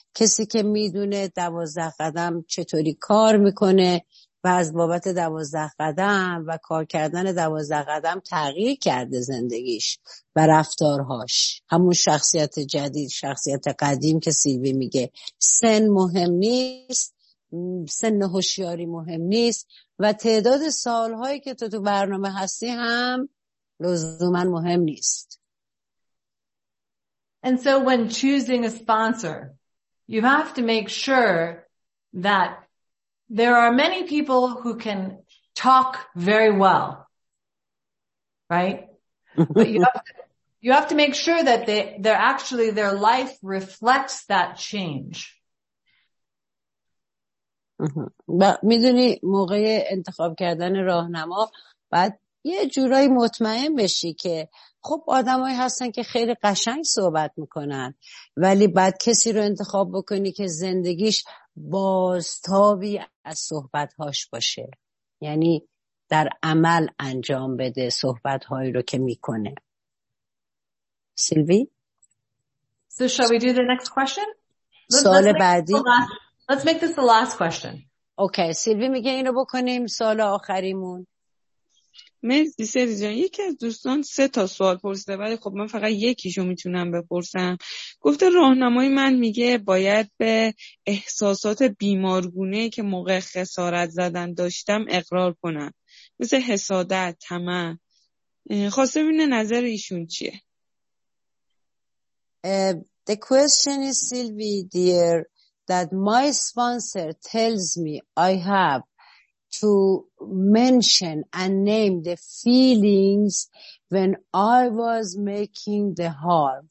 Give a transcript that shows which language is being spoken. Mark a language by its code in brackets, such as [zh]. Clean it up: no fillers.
[fa] کسی که میدونه 12 قدم چطوری کار میکنه و از بابت 12 قدم و کار کردن 12 قدم تغییر کرده زندگیش و رفتارهاش. همون شخصیت جدید، شخصیت قدیم که سیلوی میگه. سن مهم نیست، سن هوشیاری مهم نیست و تعداد سالهایی که تو برنامه هستی هم لزوماً مهم نیست. [en] And so when choosing a sponsor, you have to make sure that there are many people who can talk very well, right? But you have to make sure that they're actually, their life reflects that change. [fa] میدونی موقع انتخاب کردن راهنما بعد یه جورایی مطمئن بشی که خب آدم هایی هستن که خیلی قشنگ صحبت میکنن ولی بعد کسی رو انتخاب بکنی که زندگیش بازتابی از صحبت هاش باشه، یعنی در عمل انجام بده صحبت هایی رو که میکنه. سیلوی؟ [en] So shall we do the next question? [fa] سوال بعدی؟ [en] Let's make this the last question. [fa] Okay, سیلوی میگه اینو بکنیم سوال آخریمون. مرسی سری جان. یکی از دوستان سه تا سوال پرسیده ولی خب من فقط یکیشو میتونم بپرسم. گفته راهنمای من میگه باید به احساسات بیمارگونه که موقع خسارت زدن داشتم اقرار کنم، مثل حسادت، طمع. خواسته ببینه نظر ایشون چیه. [en] The question is, Sylvie dear, that my sponsor tells me I have to mention and name the feelings when I was making the harm.